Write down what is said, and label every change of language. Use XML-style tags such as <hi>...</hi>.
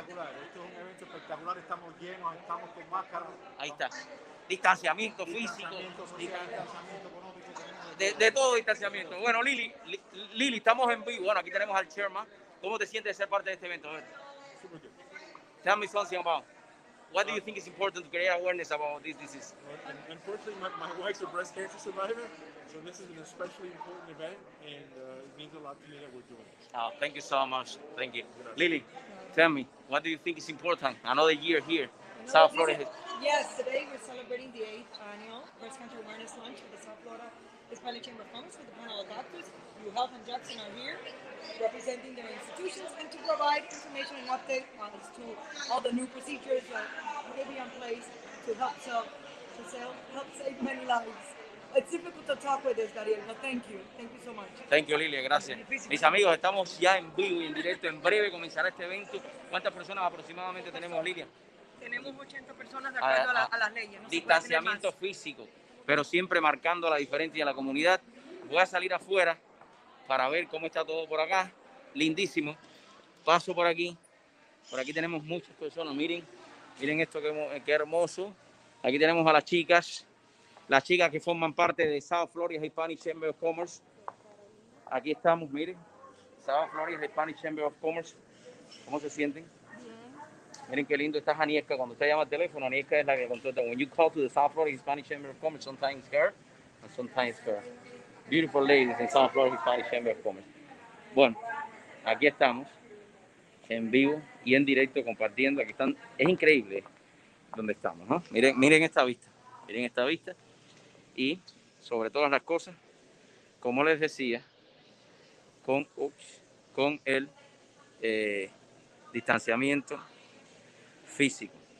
<es>Espectacular, esto es un evento espectacular. Estamos llenos, estamos con máscaras. Ahí está. Distanciamiento físico. Distanciamiento económico. De todo distanciamiento. Bueno, Lili, estamos en vivo. Bueno, aquí tenemos al chairman. ¿Cómo te sientes de ser parte de este evento? A ver.</es> <en>Tell me something about. What do you think is important to create awareness about this disease? Unfortunately, my wife's a breast cancer survivor, so this is an especially important event, and it means a lot to me that we're doing it. Oh, thank you so much. Thank you. Lily, tell me, what do you think is important? Another year here, South Florida. Yes, today we're celebrating the 8th annual Breast Cancer Awareness Lunch at the South Florida Hispanic Chamber of Commerce with the panel of doctors. You, Health and Jackson, are here representing their institutions and to provide information and update on as to all the new procedures that may be in place to help help save many lives. It's difficult to talk with this, Dariel, but thank you. Thank you so much. Thank you, Lilia. Gracias.</en> <es>Mis amigos, estamos ya en vivo y en directo. En breve comenzará este evento. ¿Cuántas personas aproximadamente tenemos, Lilia? Tenemos 80 personas de acuerdo a las leyes. No, distanciamiento físico, pero siempre marcando la diferencia de la comunidad. Voy a salir afuera para ver cómo está todo por acá. Lindísimo. Paso por aquí. Por aquí tenemos muchas personas. Miren, miren esto, qué hermoso. Aquí tenemos a las chicas. Las chicas que forman parte de South Florida Hispanic Chamber of Commerce. Aquí estamos, miren. South Florida Hispanic Chamber of Commerce. ¿Cómo se sienten? Miren qué lindo está Janieska. Cuando usted llama al teléfono, Janieska es la que contesta.</es> <en>When you call to the South Florida Hispanic Chamber of Commerce, sometimes her and sometimes her. Beautiful ladies in South Florida Hispanic Chamber of Commerce.</en> <es>Bueno, aquí estamos en vivo y en directo compartiendo. Aquí están, es increíble donde estamos, ¿no? Miren, miren esta vista. Miren esta vista. Y sobre todas las cosas, como les decía, con el distanciamiento físico.</es>